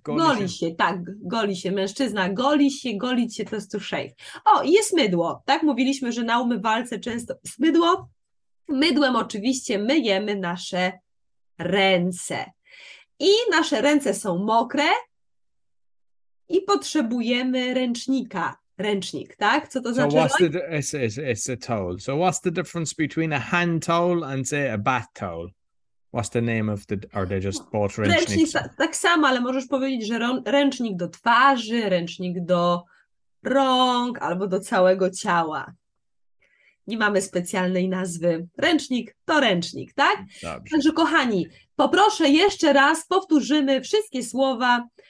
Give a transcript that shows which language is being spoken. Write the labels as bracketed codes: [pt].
[pl] goli się. Się, tak, goli się. Mężczyzna goli się, golić się to jest [en] to shave. [pl] O, i jest mydło. Tak mówiliśmy, że na umywalce często jest mydło. Mydłem oczywiście myjemy nasze ręce. I nasze ręce są mokre i potrzebujemy ręcznika. Ręcznik, tak? Co to [en] so [pl] znaczy? [en] What's the, it's a towel. So what's the difference between a hand towel and say a bath towel? What's the name of the... Are they just both ręcznik? [pl] Ręcznik, tak samo, ale możesz powiedzieć, że ręcznik do twarzy, ręcznik do rąk albo do całego ciała. Nie mamy specjalnej nazwy. Ręcznik to ręcznik, tak? Dobrze. Także kochani, poproszę jeszcze raz, powtórzymy wszystkie słowa.